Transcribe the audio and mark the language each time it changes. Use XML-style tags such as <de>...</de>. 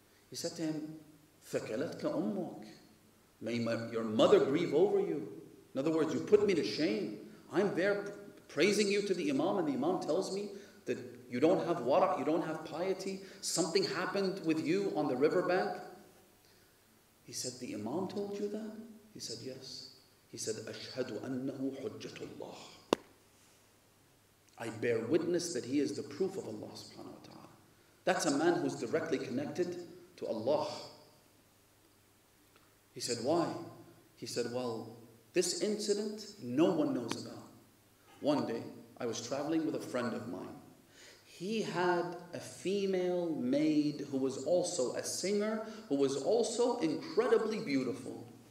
<en>He said to him,</en> <ar>ثَكَلَتْكَ أُمُّكْ.</ar> <en>May your mother grieve over you. In other words, you put me to shame. I'm there praising you to the imam, and the imam tells me that you don't have wara, you don't have piety, something happened with you on the riverbank. He said, the imam told you that? He said, yes. He said,</en> <ar>أشهد أنه حجة الله.</ar> <en>I bear witness that he is the proof of Allah subhanahu wa ta'ala. That's a man who's directly connected to Allah. He said, why? He said, well, this incident, no one knows about. One day, I was traveling with a friend of mine. He had a female maid who was also a singer, who was also incredibly beautiful.</en>